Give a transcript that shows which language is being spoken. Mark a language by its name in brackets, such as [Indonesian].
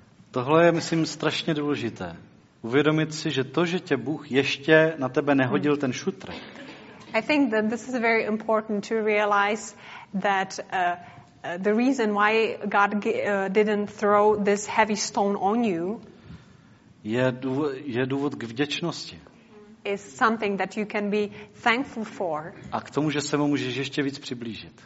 [Czech] Tohle je, myslím, strašně důležité. Uvědomit si, že to, že tě Bůh ještě na tebe nehodil ten šutr. [English] I think that this is very important to realize that the reason why God didn't throw this heavy stone on you [Czech] je důvod k vděčnosti. [English] Is something that you can be thankful for. [Czech] A k tomu, že se mu můžeš ještě víc přiblížit.